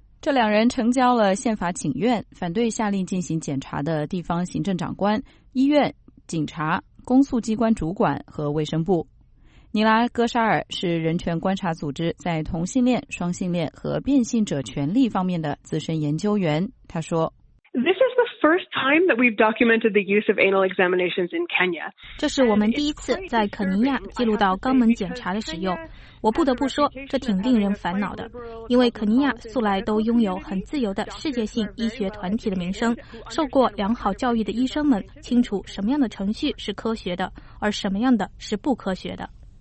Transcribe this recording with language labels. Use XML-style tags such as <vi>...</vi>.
<zh>这两人呈交了宪法请愿，反对下令进行检查的地方行政长官、医院、警察、公诉机关主管和卫生部。尼拉戈沙尔是人权观察组织在同性恋、双性恋和变性者权利方面的资深研究员。他说</zh> <en>：“This is the first time that we've documented the use of anal examinations in Kenya。</en> <zh>这是我们第一次在肯尼亚记录到肛门检查的使用。我不得不说，这挺令人烦恼的，因为肯尼亚素来都拥有很自由的世界性医学团体的名声，受过良好教育的医生们清楚什么样的程序是科学的，而什么样的是不科学的。”</zh>